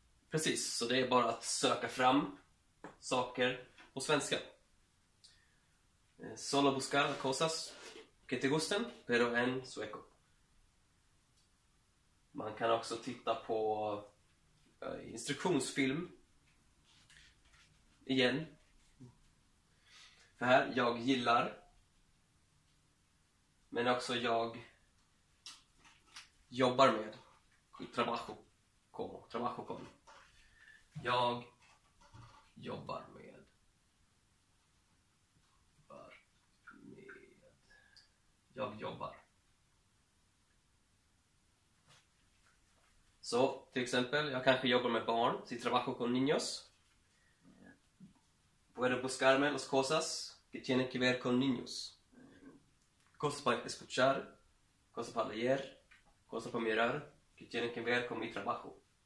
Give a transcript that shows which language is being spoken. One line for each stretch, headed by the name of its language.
Swedish: Precis, så det är bara att söka fram saker på svenska.
Spanish: Solo buscar cosas. Que te gusten, pero en sueco.
Swedish: Man kan också titta på instruktionsfilm. Igen. För här, jag gillar. Men också jag jobbar med.
Spanish: Trabajo. Como. Trabajo con.
Swedish: Jag jobbar med. Jag jobbar. Så, till exempel, jag kanske jobbar med barn.
Spanish: Si trabajo con niños. Puedo buscarme las cosas que tienen que ver con niños. Cosas para escuchar, cosas para leer, cosas para mirar que tienen que ver con mi trabajo.